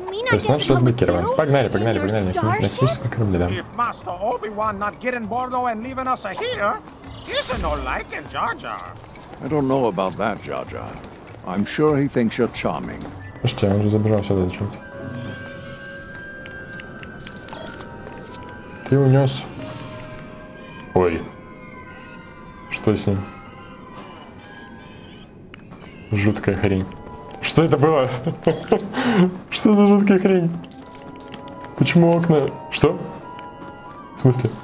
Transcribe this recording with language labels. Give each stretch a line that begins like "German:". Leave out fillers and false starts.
Russian: Персонаж разблокирован. Погнали. На химическом корабле, да.
English: I'm sure he thinks you're charming.
Russian: Слушайте, он уже забежался до чего-то. Ты унес. Ой. Что с ним? Жуткая хрень. Что это было? Что за жуткая хрень? Почему окна? Что? В смысле?